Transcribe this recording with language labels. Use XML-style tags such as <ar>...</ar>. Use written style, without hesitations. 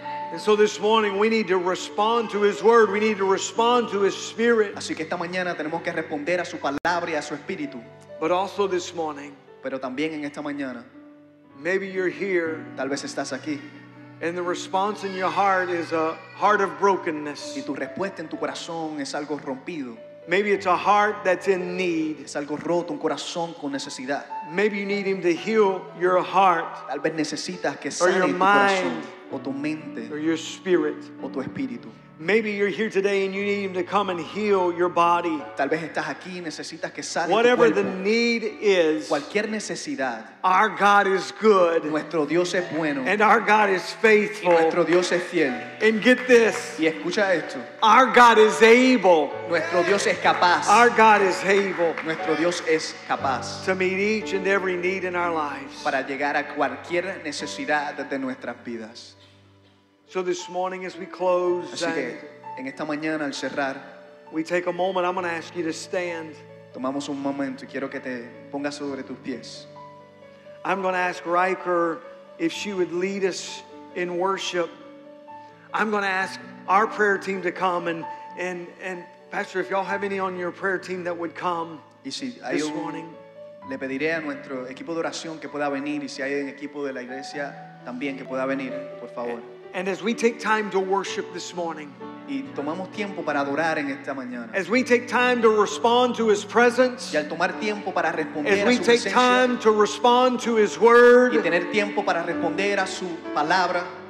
<en>And so this morning we need to respond to his word. We need to respond to his spirit.</en> <es>Así que esta mañana tenemos que responder a su palabra y a su espíritu.</es> <en>But also this morning,</en> <es>pero también en esta mañana,</es> <en>maybe you're here,</en> <es>tal vez estás aquí,</es> <en>and the response in your heart is a heart of brokenness.</en> <es>Y tu respuesta en tu corazón es algo rompido.</es> <en>Maybe it's a heart that's in need.</en> <es>Es algo roto, un corazón con necesidad.</es> <en>Maybe you need him to heal your heart,</en> <es>tal vez necesitas que sane</es> <en>or your mind.</en> <es>Corazón. o tu mente,</es> <en>or your spirit,</en> <es>o tu espíritu.</es> <en>Maybe you're here today and you need him to come and heal your body.</en> <es>Tal vez estás aquí y necesitas que sane.</es> <en>Whatever the need is,</en> <es>cualquier necesidad,</es> <en>our God is good.</en> <es>Nuestro Dios es bueno.</es> <en>And our God is faithful.</en> <es>Y nuestro Dios es fiel.</es> <en>And get this.</en> <es>Y escucha esto.</es> <en>Our God is able.</en> <es>Nuestro Dios es capaz.</es> <en>Our God is able.</en> <es>Nuestro Dios es capaz.</es> <en>To meet each and every need in our lives.</en> <es>Para llegar a cualquier necesidad de nuestras vidas.</es> <en>So this morning as we close,</en> <es>así que, en esta mañana, al cerrar,</es> <en>we take a moment. I'm going to ask you to stand.</en> <es>Tomamos un momento y quiero que te pongas sobre tus pies.</es> <en>I'm going to ask Riker if she would lead us in worship. I'm going to ask our prayer team to come and Pastor, if y'all have any on your prayer team that would come this morning.</en> <es>Le pediré a nuestro equipo de oración que pueda venir y si hay un equipo de la iglesia también que pueda venir, por favor.</es> <en>And as we take time to worship this morning,</en> <es>y tomamos tiempo para adorar en esta mañana,</es> <en>as we take time to respond to his presence,</en> <es>y al tomar tiempo para responder</es> <en>as we</en> <es>a su</es> <en>take</en> <es>presencia,</es> <en>time to respond to his word,</en> <es>y tener tiempo para responder a su palabra,</es>